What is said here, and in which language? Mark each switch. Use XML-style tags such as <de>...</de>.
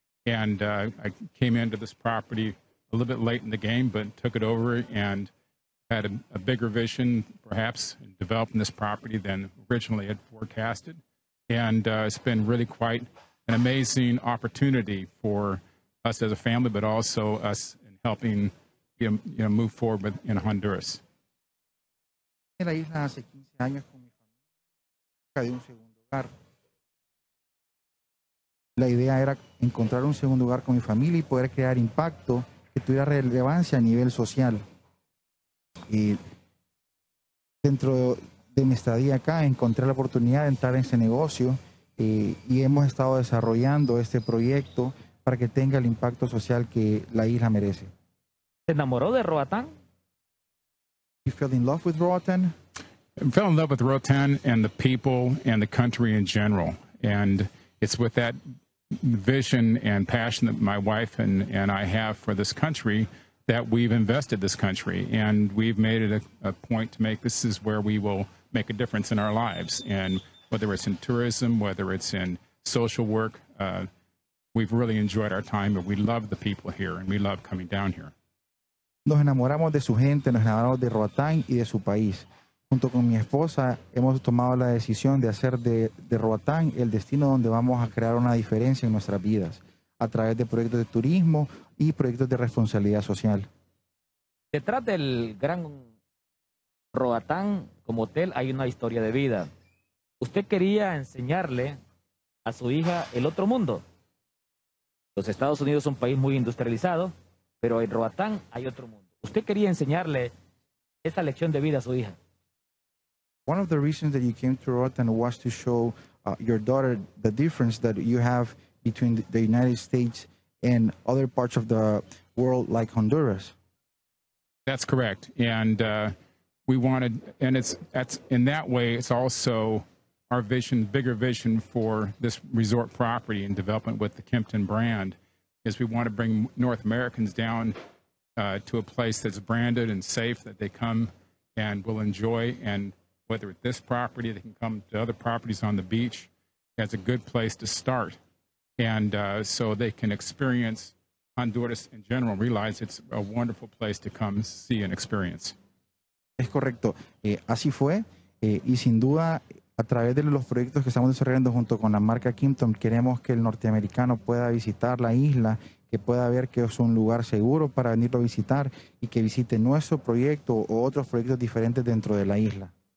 <en>And I came into this property a little bit late in the game, but took it over and had a bigger vision, perhaps, in developing this property than originally had forecasted. And it's been really quite an amazing opportunity for us as a family, but also us in helping move forward in Honduras.</en> <es>En la isla hace 15 años con mi familia, de un segundo hogar. La idea era encontrar un segundo hogar con mi familia y poder crear impacto que tuviera relevancia a nivel social. Y dentro de mi estadía acá encontré la oportunidad de entrar en ese negocio y hemos estado desarrollando este proyecto para que tenga el impacto social que la isla merece. ¿Se enamoró de Roatán?</es> <en>You fell in love with Roatán? I fell in love with Roatán and the people and the country in general. And it's with that vision and passion that my wife and I have for this country that we've invested this country, and we've made it a point to make this is where we will make a difference in our lives. And whether it's in tourism, whether it's in social work, we've really enjoyed our time, but we love the people here, and we love coming down here.</en> <es>Nos enamoramos de su gente, nos enamoramos de Roatán y de su país. Junto con mi esposa, hemos tomado la decisión de hacer de Roatán el destino donde vamos a crear una diferencia en nuestras vidas, a través de proyectos de turismo y proyectos de responsabilidad social. Detrás del Gran Roatán como hotel hay una historia de vida. Usted quería enseñarle a su hija el otro mundo. Los Estados Unidos es un país muy industrializado, pero en Roatán hay otro mundo. Usted quería enseñarle esa lección de vida a su hija.</es> <en>One of the reasons that you came to Roatán was to show your daughter the difference that you have between the United States in other parts of the world like Honduras. That's correct. And we wanted, and it's that's in that way, it's also our vision, bigger vision for this resort property and development with the Kempton brand, is we want to bring North Americans down to a place that's branded and safe, that they come and will enjoy, and whether it's this property, they can come to other properties on the beach. That's a good place to start. And so they can experience Honduras in general, realize it's a wonderful place to come see and experience.</en> <es>Es correcto. Así fue. Y sin duda, a través de los proyectos que estamos desarrollando junto con la marca Kempton, queremos que el norteamericano pueda visitar la isla, que pueda ver que es un lugar seguro para venirlo a visitar y que visite nuestro proyecto o otros proyectos diferentes dentro de la isla.</es>